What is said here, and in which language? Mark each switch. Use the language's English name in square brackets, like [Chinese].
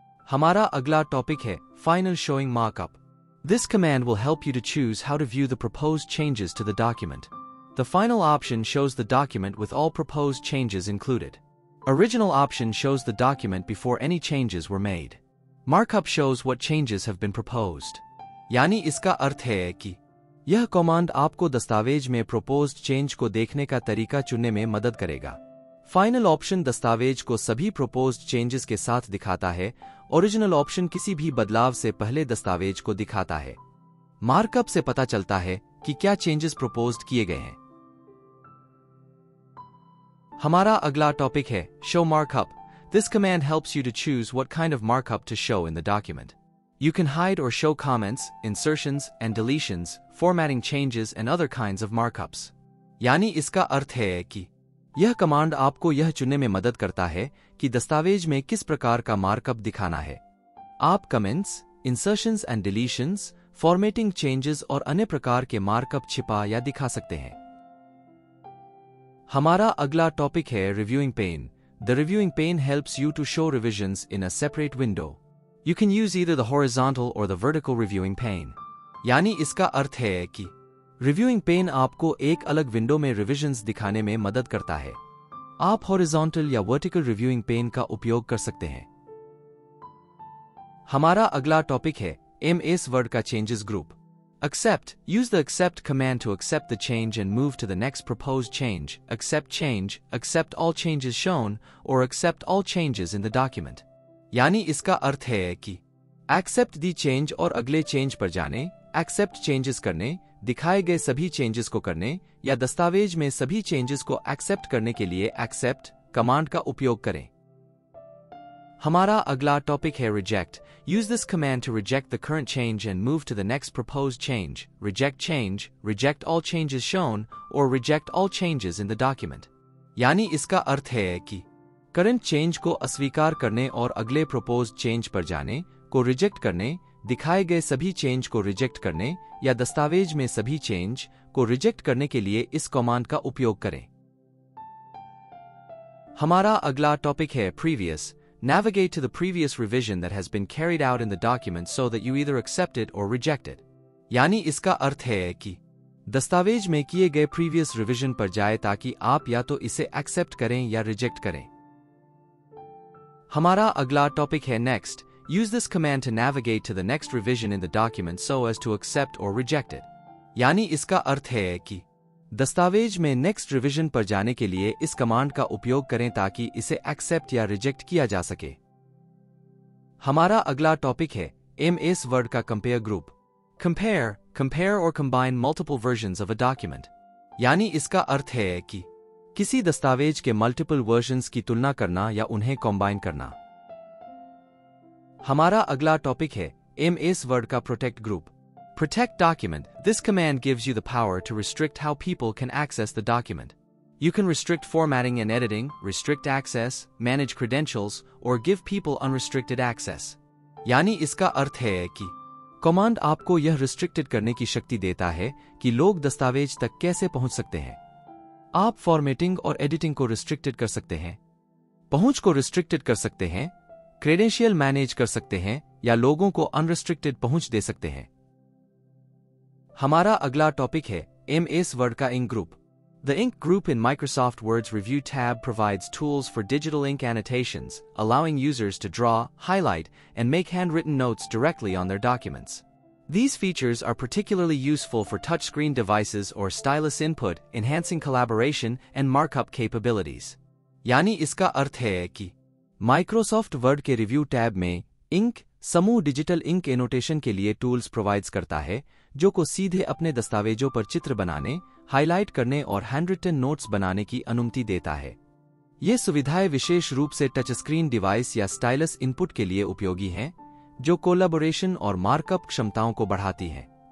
[Hindi] हमारा अगला टॉपिक है final showing markup. [English] This command will help you to choose how to view the proposed changes to the document. The final option shows the document with all proposed changes included. Original option shows the document before any changes were made. Markup shows what changes have been proposed. [Hindi] यानी इसका अर्थ है कि यह command आपको दस्तावेज में proposed change को देखने का तरीका चुनने में मदद करेगा। फाइनल ऑप्शन दस्तावेज को सभी प्रपोज्ड चेंजेस के साथ दिखाता है, ओरिजिनल ऑप्शन किसी भी बदलाव से पहले दस्तावेज को दिखाता है। मार्कअप से पता चलता है कि क्या चेंजेस प्रपोज्ड किए गए हैं। हमारा अगला टॉपिक है show markup. [English] This command helps you to choose what kind of markup to show in the document. You can hide or show comments, insertions and deletions, formatting changes and other kinds of markups. [Hindi] यानी इसका अर्थ है कि यह command आपको यह चुनने में मदद करता है कि दस्तावेज में किस प्रकार का मार्कअप दिखाना है। आप comments, [English] insertions and deletions, [Hindi] formatting changes और अन्य प्रकार के मार्कअप छिपा या दिखा सकते हैं। हमारा अगला टॉपिक है reviewing pen. [English] The reviewing pane helps you to show revisions in a separate window. You can use either the horizontal or the vertical reviewing pane. [Hindi] यानी इसका अर्थ है कि reviewing pane आपको एक अलग विंडो में revisions दिखाने में मदद करता है। आप horizontal या vertical reviewing pane का उपयोग कर सकते हैं। हमारा अगला टॉपिक है MS Word का changes group. [English] Accept. Use the accept command to accept the change and move to the next proposed change. Accept change, accept all changes shown, or accept all changes in the document. [Hindi] यानी इसका अर्थ है कि [English] accept the change [Hindi] और अगले change पर जाने, accept changes करने, दिखाए गए सभी changes को करने, या दस्तावेज में सभी changes को accept करने के लिए accept command का उपयोग करें। हमारा अगला टॉपिक है [English] Reject. Use this command to reject the current change and move to the next proposed change. Reject change, reject all changes shown और reject all changes in the document. [Hindi] यानी इसका अर्थ है कि करंट चेंज को अस्वीकार करने और अगले प्रपोज्ड चेंज पर जाने को रिजेक्ट करने, दिखाए गए सभी चेंज को रिजेक्ट करने या दस्तावेज में सभी चेंज को रिजेक्ट करने के लिए इस कमांड का उपयोग करें। हमारा अगला टॉपिक है previous. [English] Navigate to the previous revision that has been carried out in the document so that you either accept it or reject it. [Hindi] यानी इसका अर्थ है कि दस्तावेज में किए गए previous revision पर जाए ताकि आप या तो इसे accept करें या reject करें। हमारा अगला topic है next. [English] Use this command to navigate to the next revision in the document so as to accept or reject it. [Hindi] यानी इसका अर्थ है कि दस्तावेज में नेक्स्ट रिवीजन पर जाने के लिए इस कमांड का उपयोग करें ताकि इसे एक्सेप्ट या रिजेक्ट किया जा सके। हमारा अगला टॉपिक है एमएस वर्ड का कंपेयर ग्रुप। [English] Compare, compare और combine multiple versions of a document. [Hindi] यानी इसका अर्थ है कि किसी दस्तावेज के मल्टीपल वर्जन्स की तुलना करना या उन्हें कंबाइन करना। हमारा अगला टॉपिक है एमएस वर्ड का protect group. [English] Protect document. This command gives you the power to restrict how people can access the document. You can restrict formatting and editing, restrict access, manage credentials, or give people unrestricted access. [Hindi] यानी इसका अर्थ है कि command आपको यह restricted करने की शक्ति देता है कि लोग दस्तावेज तक कैसे पहुंच सकते हैं। आप फॉर्मेटिंग और एडिटिंग को रिस्ट्रिक्टेड कर सकते हैं, पहुंच को रिस्ट्रिक्टेड कर सकते हैं, क्रेडेंशियल मैनेज कर सकते हैं या लोगों को अनरिस्ट्रिक्टेड पहुंच दे सकते हैं। हमारा अगला टॉपिक है [English] MS word का ink group. The ink group in Microsoft Word's review tab provides tools for digital ink annotations, allowing users to draw, highlight and make hand written notes directly on their documents. These features are particularly useful for touchscreen devices or stylus input, enhancing collaboration and markup capabilities. [Hindi] यानी इसका अर्थ है कि Microsoft Word के review tab में ink समूह digital ink annotation के लिए tools provides करता है, जो को सीधे अपने दस्तावेजों पर चित्र बनाने, highlight करने और handwritten notes बनाने की अनुमति देता है। ये सुविधाएं विशेष रूप से touchscreen device या stylus input के लिए उपयोगी हैं, जो कोलैबोरेशन और मार्कअप क्षमताओं को बढ़ाती है।